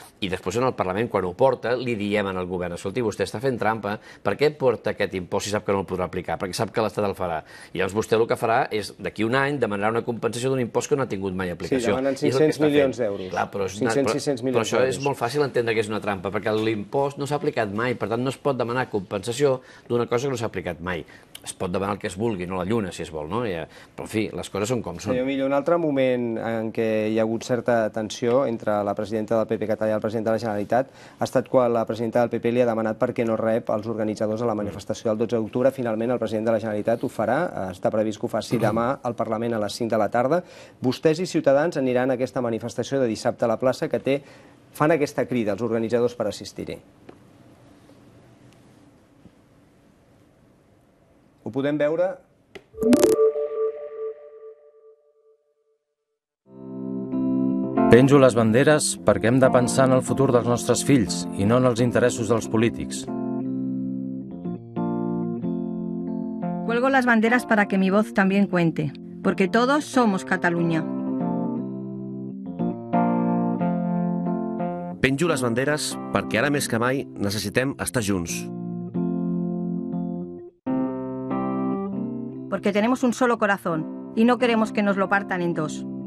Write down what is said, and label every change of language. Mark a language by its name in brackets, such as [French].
[Catalan] I després en el Parlament, quan ho porta, li diem al govern, escolti, vostè està fent trampa, per què porta aquest impost i sap que no el podrà aplicar, perquè sap que l'Estat el farà. I llavors vostè el que farà és, d'aquí un any, demanarà una compensació d'un impost que no ha tingut mai aplicació. Sí, demanen 500 milions d'euros. Clar, però, 500, però, 600 milions però això d'euros. És molt fàcil entendre que és una trampa, perquè l'impost no s'ha aplicat mai, per tant no es pot demanar compensació d'una cosa que no s'ha aplicat mai. Es pot demanar el que es vulgui, no la lluna, si es vol, no? Però, en fi, les coses són com són. Senyor Millo, un altre moment en què hi ha hagut certa tensió entre la presidenta del PP català i el president de la Generalitat ha estat quan la presidenta del PP li ha demanat perquè no rep els organitzadors a la manifestació del 12 d'octubre. Finalment, el president de la Generalitat ho farà. Està previst que ho faci demà al Parlament a les 5 de la tarda. Vostès i Ciutadans aniran a aquesta manifestació de dissabte a la plaça que té... Fan aquesta crida, els organitzadors, per assistir-hi. Ho podem veure. Penjo les banderes perquè hem de pensar en el futur dels nostres fills i no en els interessos dels polítics. [Spanish] Cuelgo las banderas para que mi voz también cuente, porque todos somos Cataluña. [Catalan] Penjo les banderes perquè ara més que mai necessitem estar junts. [Spanish] Porque tenemos un solo corazón y no queremos que nos lo partan en dos.